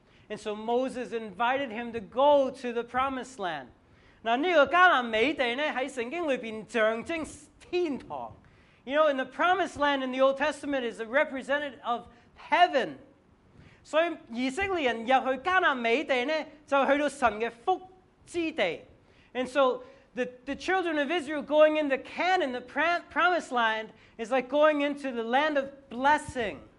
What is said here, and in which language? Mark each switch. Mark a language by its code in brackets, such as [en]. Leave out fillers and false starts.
[en] And so Moses invited him to go to the promised land. [zh] 那这个迦南美地呢, 在圣经里面象征天堂。 [en] You know, in the promised land in the Old Testament is a representative of heaven. [zh] 所以以色列人进去迦南美地呢, 就去到神的福之地。 [en] And so the children of Israel going into Canaan, the promised land, is like going into the land of blessing.